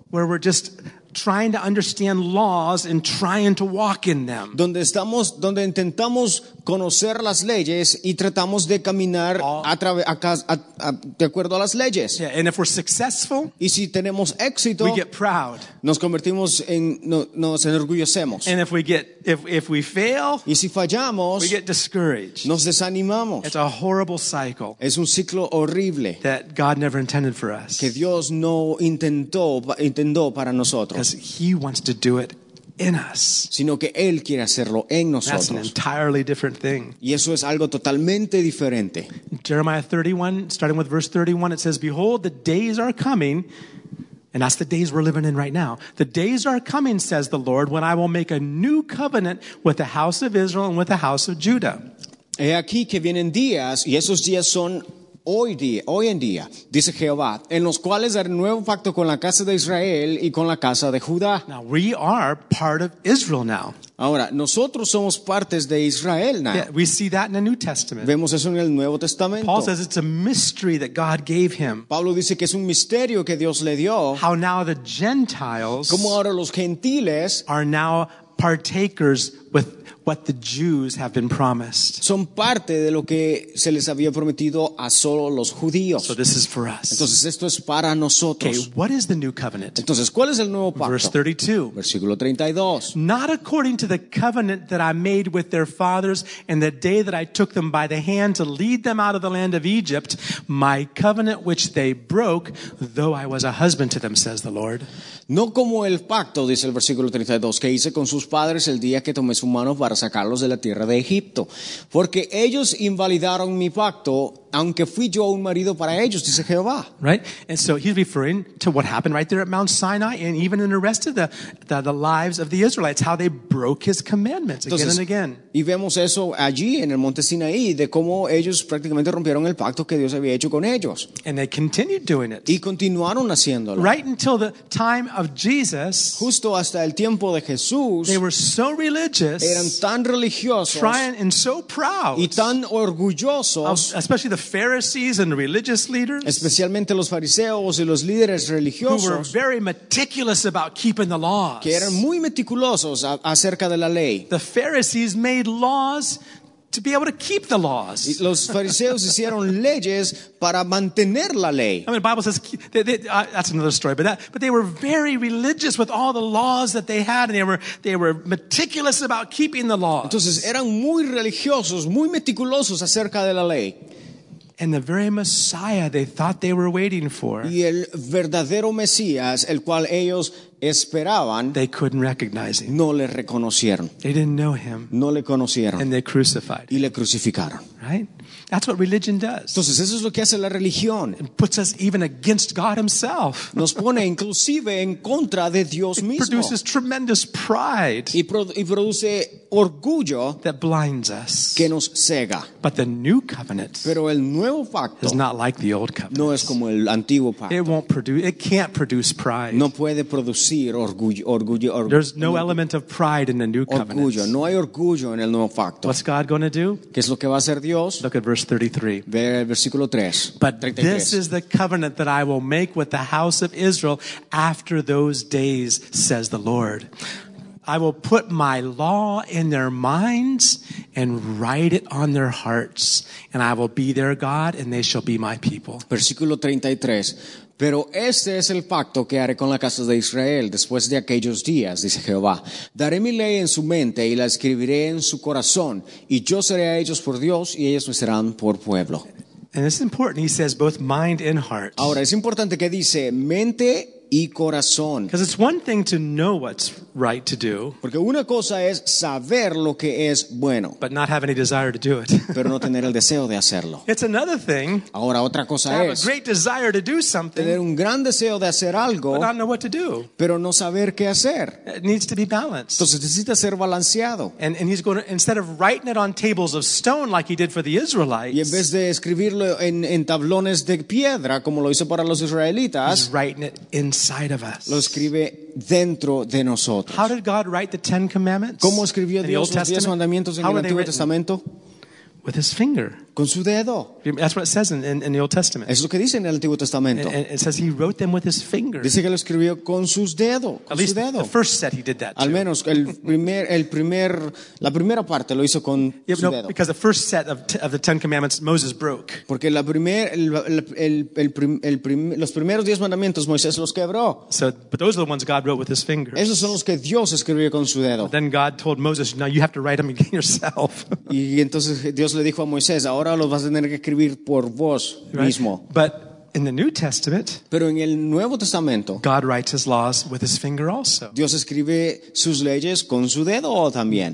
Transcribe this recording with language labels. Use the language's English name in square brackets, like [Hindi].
[English] Where we're just trying to understand laws and trying to walk in them. [Spanish] Donde intentamos conocer las leyes y tratamos de caminar de acuerdo a las leyes. [English] Yeah, and if we're successful, [Spanish] y si tenemos éxito, [English] we get proud. [Spanish] Nos convertimos en nos enorgullecemos. [English] And if we fail, [Spanish] y si fallamos, [English] we get discouraged. [Spanish] Nos desanimamos. [English] It's a horrible cycle. [Spanish] Es un ciclo horrible [English] that God never intended for us. [Spanish] Que Dios no intentó para nosotros. [English] Because he wants to do it in us. [Spanish] Sino que él quiere hacerlo en nosotros. [English] That's an entirely different thing. [Spanish] Y eso es algo totalmente diferente. [English] Jeremiah 31, starting with verse 31, it says, behold, the days are coming. And that's the days we're living in right now. The days are coming, says the Lord, when I will make a new covenant with the house of Israel and with the house of Judah. [Spanish] He aquí que vienen días, y esos días son hoy en día, dice Jehová, en los cuales haré nuevo pacto con la casa de Israel y con la casa de Judá. [English] Now we are part of Israel now. [Spanish] Ahora, nosotros somos partes de Israel now. [English] Yeah, we see that in the New Testament. [Spanish] Vemos eso en el Nuevo Testamento. [English] Paul says it's a mystery that God gave him. [Spanish] Pablo dice que es un misterio que Dios le dio. [English] How now the Gentiles, [Spanish] como ahora los gentiles, [English] are now partakers with what the Jews have been promised. [Spanish] Son parte de lo que se les había prometido a solo los judíos. [English] So this is for us. [Spanish] Entonces esto es para nosotros. [English] Okay, what is the new covenant? [Spanish] Entonces, ¿cuál es el nuevo pacto? [English] Verse 32. [Spanish] Versículo 32. [English] Not according to the covenant that I made with their fathers in the day that I took them by the hand to lead them out of the land of Egypt, my covenant which they broke, though I was a husband to them, says the Lord. [Spanish] No como el pacto, dice el versículo 32, que hice con sus padres el día que tomé su mano para sacarlos de la tierra de Egipto, porque ellos invalidaron mi pacto, aunque fui yo un marido para ellos, dice Jehová. [English] Right, and so he's referring to what happened right there at Mount Sinai, and even in the rest of the lives of the Israelites, how they broke his commandments. [Spanish] Entonces, [English] again and again. [Spanish] Y vemos eso allí en el Monte Sinaí de cómo ellos prácticamente rompieron el pacto que Dios había hecho con ellos. [English] And they continued doing it. [Spanish] Y continuaron haciéndolo. [English] Right until the time of Jesus. [Spanish] Justo hasta el tiempo de Jesús. [English] They were so religious. [Spanish] Eran tan religiosos. [English] Trying and so proud. [Spanish] Y tan orgullosos. [English] Especially the Pharisees and religious leaders, [Spanish] especialmente los fariseos y los líderes religiosos, [English] who were very meticulous about keeping the laws, [Spanish] que eran muy meticulosos acerca de la ley. [English] The Pharisees made laws to be able to keep the laws. [Spanish] Los fariseos hicieron leyes para mantener la ley. [English] I mean, the Bible says that's another story, but they were very religious with all the laws that they had, and they were meticulous about keeping the laws. [Spanish] Entonces eran muy religiosos, muy meticulosos acerca de la ley. [English] And the very Messiah they thought they were waiting for, [Spanish] y el verdadero Mesías, el cual ellos esperaban, [English] they couldn't recognize him. [Spanish] No le reconocieron. [English] They didn't know him. [Spanish] No le conocieron. [English] And they crucified [Spanish] him. Y le crucificaron. [English] Right? That's what religion does. [Spanish] Entonces, eso es lo que hace la religión. [English] It puts us even against God himself. [Spanish] Nos pone inclusive en contra de Dios mismo. [English] It produces tremendous pride. [Spanish] Y produce orgullo [English] that blinds us. [Spanish] Que nos cega. [English] But the new covenant, [Spanish] pero el nuevo pacto, [English] is not like the old covenant. [Spanish] No es como el antiguo pacto. [English] It won't produce, it can't produce pride. [Spanish] No puede producir orgullo. [English] There's no element of pride in the new covenant. [Spanish] Orgullo. No hay orgullo en el nuevo pacto. [English] What's God going to do? [Spanish] ¿Qué es lo que va a hacer Dios? [English] Look at verse 33. [Spanish] Versículo 3. [English] But this is the covenant that I will make with the house of Israel after those days, says the Lord. I will put my law in their minds and write it on their hearts, and I will be their God, and they shall be my people. [Spanish] Versículo 33. Pero este es el pacto que haré con la casa de Israel después de aquellos días, dice Jehová. Daré mi ley en su mente y la escribiré en su corazón, y yo seré a ellos por Dios y ellos me serán por pueblo. [English] And it's important, he says, both mind and heart. [Spanish] Ahora, es importante que dice mente y corazón. [English] Because it's one thing to know what's right to do. [Spanish] Porque una cosa es saber lo que es bueno. [English] But not have any desire to do it. [Spanish] Pero no tener el deseo de hacerlo. [English] It's another thing. [Spanish] Ahora otra cosa [English] to [Spanish] es [English] have a great desire to do something. [Spanish] Tener un gran deseo de hacer algo. [English] But not know what to do. [Spanish] Pero no saber qué hacer. [English] It needs to be balanced. [Spanish] Entonces necesita ser balanceado. [English] And he's going to, instead of writing it on tables of stone like he did for the Israelites. [Spanish] Y en vez de escribirlo en tablones de piedra como lo hizo para los israelitas. [English] He's writing it inside of us. [Spanish] Lo escribe dentro de nosotros. [English] How did God write the Ten Commandments? [Spanish] ¿Cómo escribió Dios los diez mandamientos en el Antiguo Testamento? [English] With his finger. [Spanish] Con su dedo. [English] That's what it says in the Old Testament. [Spanish] Es lo que dice en el Antiguo Testamento. [English] It says he wrote them with his finger. [Spanish] Dice que lo escribió con sus dedos. [English] At least the first set he did that too. [Spanish] Al menos la primera parte lo hizo con su dedo. [English] Because the first set of the Ten Commandments Moses broke. [Spanish] Porque los primeros diez mandamientos Moisés los quebró. [English] So, but those are the ones God wrote with his finger. [Spanish] Esos son los que Dios escribió con su dedo. [English] But then God told Moses, now you have to write them again yourself. [Spanish] Y entonces Dios le dijo a Moisés, ahora los vas a tener que escribir por vos mismo. [English] Right. But in the New Testament, [Spanish] pero en el Nuevo Testamento, [English] God writes his laws with his finger also. [Spanish] Dios escribe sus leyes con su dedo también.